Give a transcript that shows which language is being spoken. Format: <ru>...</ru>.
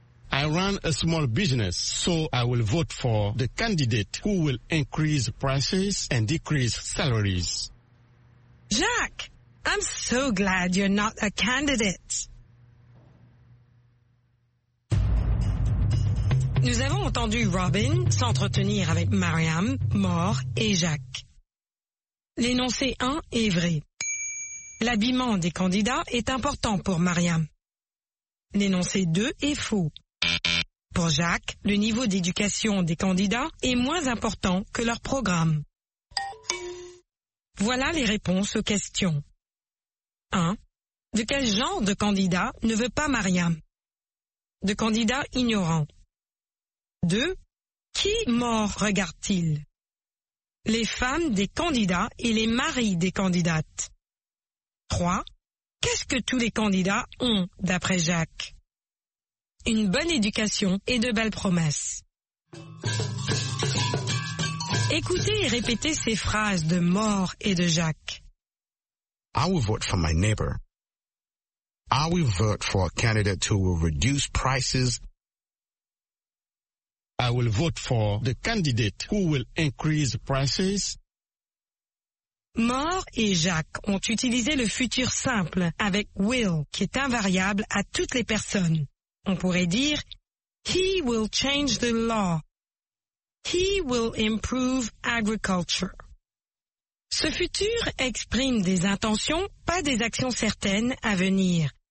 <en>I run a small business, so I will vote for the candidate who will increase prices and decrease salaries. Jacques, I'm so glad you're not a candidate.</en> <fr>Nous avons entendu Robin s'entretenir avec Mariam, Maur et Jacques. L'énoncé 1 est vrai. L'habillement des candidats est important pour Mariam. L'énoncé 2 est faux. Pour Jacques, le niveau d'éducation des candidats est moins important que leur programme. Voilà les réponses aux questions. 1. De quel genre de candidat ne veut pas Mariam? De candidat ignorant. 2. Qui Maur regarde-t-il? Les femmes des candidats et les maris des candidates. 3. Qu'est-ce que tous les candidats ont, d'après Jacques? Une bonne éducation et de belles promesses. Écoutez et répétez ces phrases de Maur et de Jacques.</fr> <en>I will vote for my neighbor. I will vote for a candidate who will reduce prices. I will vote for the candidate who will increase prices.</en> <fr>Maur et Jacques ont utilisé le futur simple avec will, qui est invariable à toutes les personnes. On pourrait dire,</fr> <en>he will change the law. He will improve agriculture.</en> <fr>Ce futur exprime des intentions, pas des actions certaines à venir.</fr>